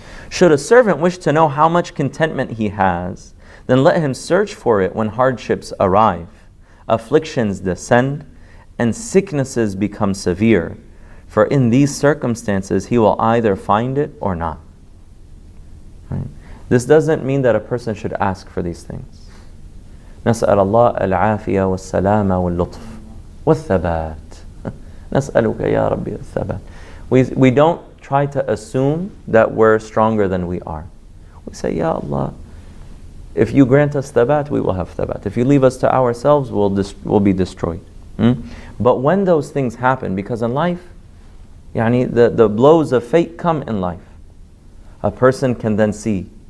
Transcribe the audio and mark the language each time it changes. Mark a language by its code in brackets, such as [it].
[en] Should a servant wish to know how much contentment he has, then let him search for it when hardships arrive, afflictions descend, and sicknesses become severe, for in these circumstances he will either find it or not. Right? This doesn't mean that a person should ask for these things. [ar] نسأل الله العافية والسلامة واللطف والثبات نسألك يا ربي الثبات. [en] We don't try to assume that we're stronger than we are. We say, Ya Allah, if you grant us thabat, we will have thabat. If you leave us to ourselves, we'll be destroyed. But when those things happen, because in life, the blows of fate come in life, a person can then see,